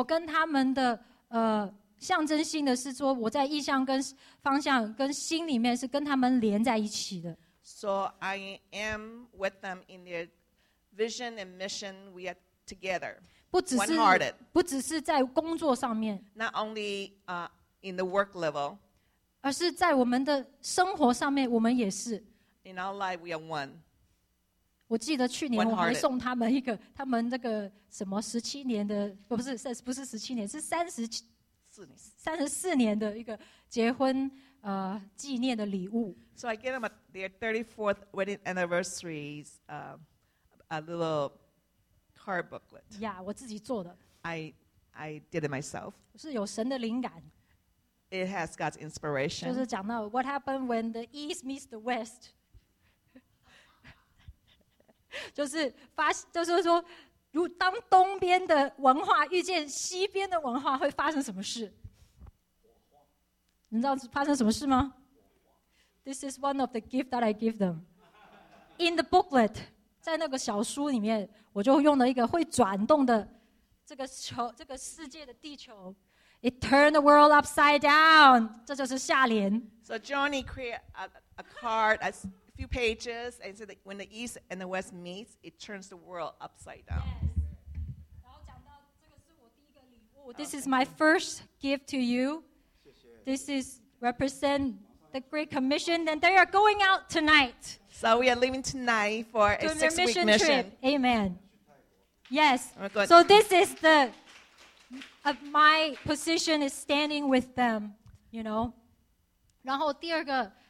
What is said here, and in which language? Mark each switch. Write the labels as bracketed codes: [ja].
[zh] 我跟他们的象征性的是说，我在意向跟方向跟心里面是跟他们连在一起的。 [en] So I am with them in their vision and mission. We are together. One-hearted. [zh] 不只是在工作上面 [en] Not only in the work level. [zh] 而是在我们的生活上面我们也是 [en] In our life, we are one. [zh] 我记得去年我还送他们一个他们那个什么17年的不是17年是34年的一个结婚纪念的礼物 [en] So I gave them their 34th wedding anniversary a little... Card booklet. [zh] Yeah, 我自己做的 [en] I did it myself. [zh] 是有神的灵感 [en] It has God's inspiration. [zh] 就是讲到 [en] What happened when the East meets the West? [zh] 就是说，如当东边的文化遇见西边的文化，会发生什么事？你知道发生什么事吗？ [en] This is one of the gifts that I give them. In the booklet. [zh] 在那个小书里面，我就用了一个会转动的这个球，这个世界的地球 ， [en] It turned the world upside down。 [zh] 这就是下联。 [en] So Johnny created a card, a few pages, and said that when the East and the West meet, it turns the world upside down. Yes. [zh] 然后讲到这个是我第一个礼物。 [en] This is my first gift to you. [zh] 谢谢。 [en] This is represent the Great Commission, and they are going out tonight. So we are leaving tonight for a six-week mission. Amen. Yes. Oh, so this is the... of my position is standing with them, you know. [zh] 然后第二个